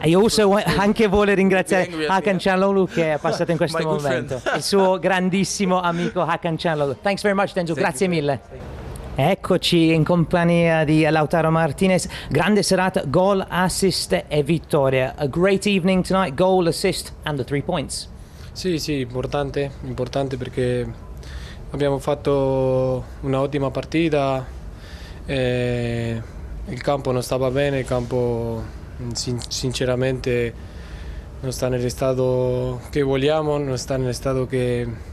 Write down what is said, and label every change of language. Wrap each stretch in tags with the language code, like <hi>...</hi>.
<it>E io anche vuole ringraziare Hakan Çalhanoğlu, che è passato in questo momento, il suo grandissimo amico Hakan Çalhanoğlu.</it> <en>Thanks very much Denzel,</en> <it>grazie mille. Eccoci in compagnia di Lautaro Martinez, grande serata, goal, assist e vittoria.</it> <en>A great evening tonight, goal, assist and the 3 points.</en> <it>Sì, importante perché abbiamo fatto una ottima partita, il campo non stava bene, il campo sinceramente non sta nel stato che vogliamo, non sta nel stato che</it>